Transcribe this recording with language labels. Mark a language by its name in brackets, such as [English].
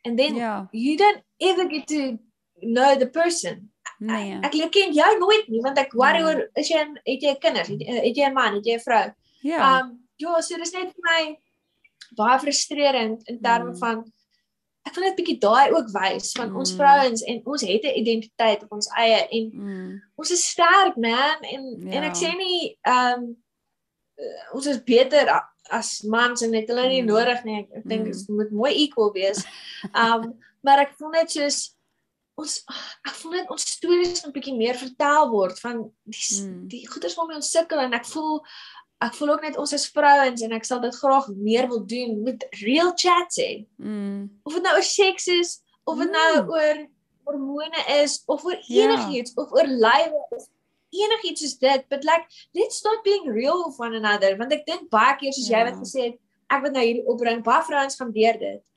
[English] And then, you don't ever get to know the person. [Afrikaans] Nee, ek ken jou nooit nie, want ek worry oor, het jy kinders, het jy man, het jy vrou? So dit is net vir my baie frustrerend in termen van, ek wil net bietjie daai ook wys van ons vrouens en ons het 'n identiteit op ons eie en ons is sterk, man, en ek sê nie ons is beter as mans en het hulle nie nodig nie, ek dink ons moet mooi equal wees, maar ek voel net soos ons, ek voel net ons stories een bietjie meer vertaal word, van die goeders waarmee ons sukkel, en ek voel ook net ons as vrouens, en ek sal dit graag meer wil doen, met real chats hê. Of het nou oor seks is, of het nou oor hormone is, of oor enigiets, of oor lywe, of enigiets soos dit, [English] but like, let's not being real with one another, [Afrikaans] want ek dink baie keer, soos jy wat gesê het, ek wil nou hierdie opbring, baie vrouens gaan deur dit.